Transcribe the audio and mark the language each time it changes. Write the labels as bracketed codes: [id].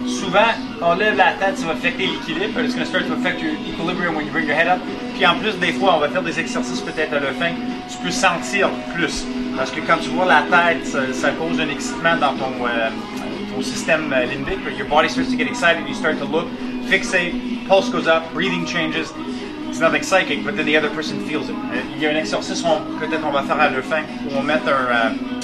[fr] Souvent, on lève la tête, ça va affecter l'équilibre. [en] It's gonna start to affect your equilibrium when you bring your head up. [fr] Puis en plus, des fois, on va faire des exercices peut-être à la fin. Tu peux sentir plus. Parce que quand tu vois la tête, ça cause un excitement dans ton système limbique. [en] Your body starts to get excited, you start to look, fixate, pulse goes up, breathing changes. It's nothing psychic, but then the other person feels it. [fr] Il y a un exercice où peut-être on va faire à la fin, où on met un...